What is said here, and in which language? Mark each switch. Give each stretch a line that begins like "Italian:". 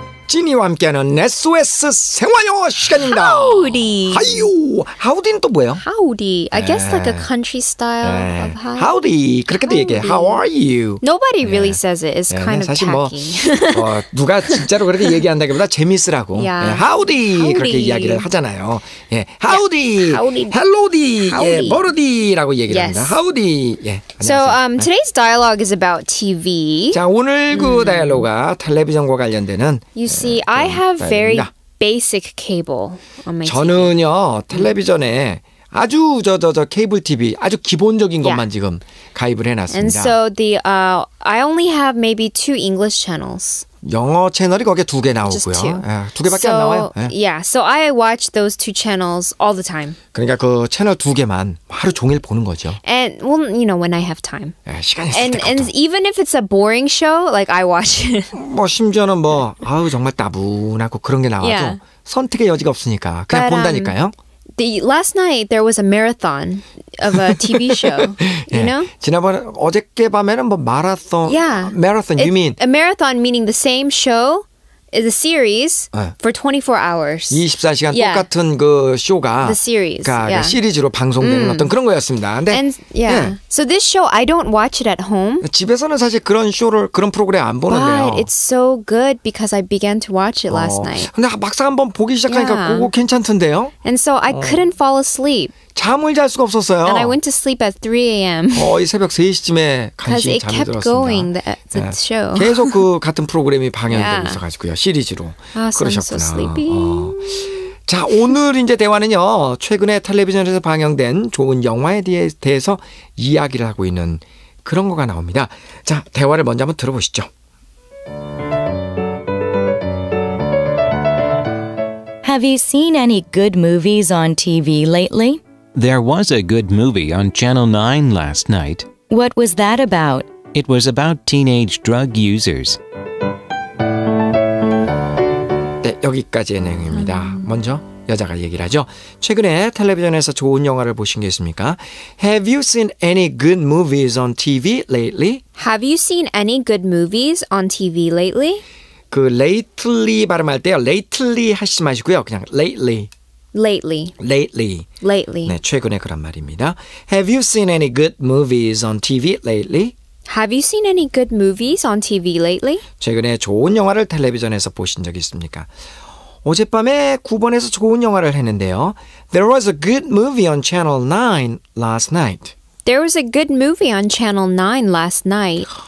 Korean: 지니와 함께하는 SOS 생활영어 시간입니다.
English: Howdy.
Korean: 하이요. Howdy는 또 뭐예요?
English: Howdy. I guess like a country style of howdy. Howdy.
Korean: 그렇게도
English: howdy.
Korean: 얘기해.
English: How are you? Nobody really says it. It's kind of tacky.
Korean: 사실 뭐 누가 진짜로 그렇게 얘기한다기보다 재밌으라고.
English: Yeah. Howdy. Howdy.
Korean: 그렇게 이야기를 하잖아요.
English: 예. Howdy. Howdy. Hello-dy. Howdy.
Korean: 예. Howdy. 라고 얘기를 합니다. Howdy. 예.
English: So today's dialogue is about TV.
Korean: 자, 오늘 그 대화가 텔레비전과 관련되는
English: You see, I have very basic cable on my TV.
Korean: 저는요, 텔레비전에 아주 저 케이블 TV, 아주 기본적인 것만 지금 가입을 해놨습니다.
English: And so the I only have maybe two English channels.
Korean: 영어 채널이 거기에 두 개 나오고요. 두 개밖에 안 나와요.
English: Yeah, so I watch those two channels all the time.
Korean: 그러니까 그 채널 두 개만 하루 종일 보는 거죠.
English: And well, you know, when I have time.
Korean: 시간 있을 때.
English: And even if it's a boring show, like I watch it.
Korean: 뭐 심지어는 뭐 아우 정말 따분하고 그런 게 나와도 선택의 여지가 없으니까 그냥 본다니까요.
English: Last night there was a marathon of a TV show. You know?
Korean: 지난번 어저께 밤에는 뭐 마라톤.
English: Yeah. Marathon. You mean? A marathon meaning the same show is a series for 24 hours.
Korean: 24시간 똑같은 그 쇼가
English: the series.
Korean: 그러니까 시리즈로 방송되는 어떤 그런 거였습니다. 근데
English: So this show I don't watch it at home.
Korean: 집에서는 사실 그런 쇼를 그런 프로그램 안 보는데요.
English: But it's so good because I began to watch it last night.
Korean: 근데 막상 한번 보기 시작하니까 그거 괜찮던데요.
English: And so I couldn't fall asleep.
Korean: 잠을 잘 수가 없었어요.
English: And I went to sleep at 3 a.m.
Korean: 거의 새벽 3시쯤에 간신히 잠이 들었습니다. Because it kept going, the show. 계속 그 같은 프로그램이 방영되고 있어가지고요. 시리즈로. 그러셨구나.
English: So I'm so sleepy.
Korean: 자, 오늘 이제 대화는요. 최근에 텔레비전에서 방영된 좋은 영화에 대해서 이야기를 하고 있는 그런 거가 나옵니다. 자, 대화를 먼저 한번 들어보시죠.
English: Have you seen any good movies on TV lately? There was a good movie on Channel 9 last night. What was that about? It was about teenage drug users.
Korean: 네, 여기까지의 내용입니다. 먼저 여자가 얘기를 하죠. 최근에 텔레비전에서 좋은 영화를 보신 게 있습니까?
English: Have you seen any good movies on TV lately? Have you seen any good movies on TV lately?
Korean: 그 lately 발음할 때요. Lately 하시지 마시고요. 그냥 lately.
English: Lately. Lately. Lately.
Korean: 네, 최근에 그런 말입니다.
English: Have you seen any good movies on TV lately? Have you seen any good movies on TV lately?
Korean: 최근에 좋은 영화를 텔레비전에서 보신 적 있습니까? 어젯밤에 9번에서 좋은 영화를 했는데요.
English: There was a good movie on Channel 9 last night. There was a good movie on Channel 9 last night.